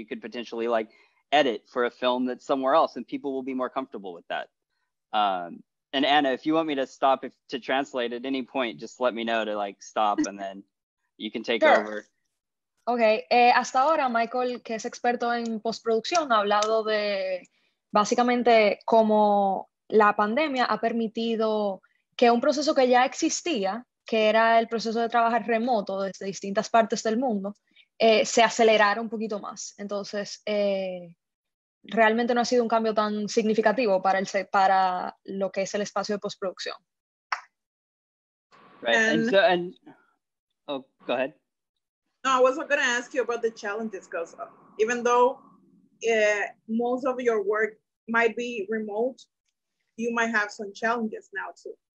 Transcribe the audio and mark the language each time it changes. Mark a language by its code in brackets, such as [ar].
[en] You could potentially like edit for a film that's somewhere else and people will be more comfortable with that. And Anna, if you want me to stop to translate at any point, just let me know to like stop and then you can take over. [es] Okay, hasta ahora Michael, que es experto en postproducción, ha hablado de básicamente cómo la pandemia ha permitido que un proceso que ya existía, que era el proceso de trabajar remoto desde distintas partes del mundo, se acelerara un poquito más. Entonces, realmente no ha sido un cambio tan significativo para lo que es el espacio de postproducción. [en] Right, go ahead. No, I was going to ask you about the challenges, because even though most of your work might be remote, you might have some challenges now too.